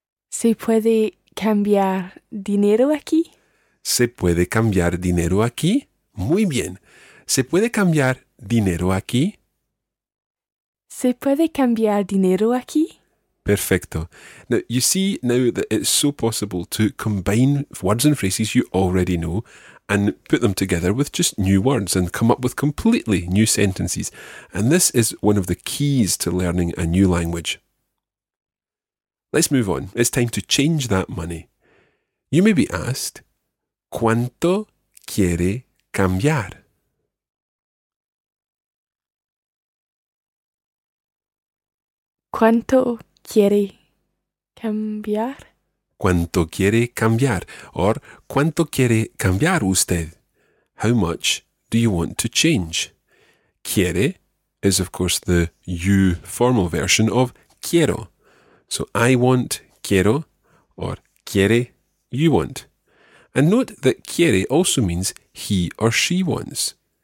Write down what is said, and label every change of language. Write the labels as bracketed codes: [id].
[es] ¿Se puede cambiar dinero aquí? ¿Se puede cambiar dinero aquí? Muy bien. ¿Se puede cambiar dinero aquí? ¿Se puede cambiar dinero aquí? Perfecto. [en] Now, you see now that it's so possible to combine words and phrases you already know and put them together with just new words and come up with completely new sentences. And this is one of the keys to learning a new language. Let's move on. It's time to change that money. You may be asked, [es] ¿cuánto quiere cambiar? ¿Cuánto quiere cambiar? ¿Cuánto quiere cambiar? Or, ¿cuánto quiere cambiar usted? [en] How much do you want to change? Quiere is, of course, the you formal version of quiero. So, I want, quiero, or quiere, you want. And note that quiere also means he or she wants.